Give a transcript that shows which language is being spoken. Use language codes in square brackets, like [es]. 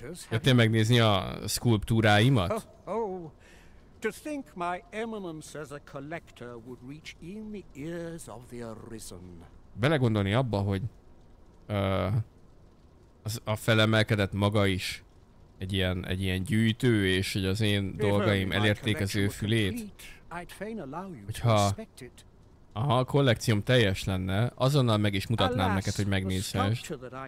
[hu] Jöttél megnézni a szkulptúráimat? [en] To think my eminence as a collector would reach in the ears of the arisen. [hu] Belegondolni abba, hogy a felemelkedett maga is egy ilyen gyűjtő, és hogy az én dolgaim elérték az ő fülét. Hogyha aha, a kollekcióm teljes lenne, azonnal meg is mutatnám neked, hogy megnézhessd.